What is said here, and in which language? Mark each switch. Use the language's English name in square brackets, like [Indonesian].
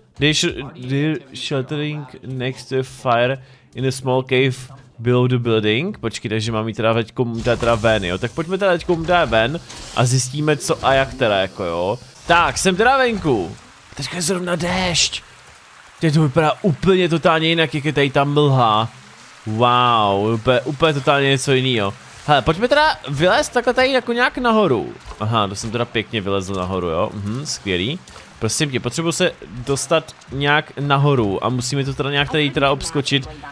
[English] They're sheltering next to a fire in a small cave below the building. [Czech] Počkej, takže mám jít teda ven, jo. Tak pojďme teda ven a zjistíme co a jak teda, jako jo. Tak, jsem teda venku. Teďka je zrovna déšť. Teď to vypadá úplně totálně jinak, jak je tady ta mlha. Wow, úplně totálně něco jiného. Hele, pojďme teda vylézt takhle tady jako nějak nahoru. Aha, to jsem teda pěkně vylezl nahoru, jo. Skvělý. Prosím tě, potřebuji se dostat nějak nahoru a musíme to teda nějak tady teda obskočit.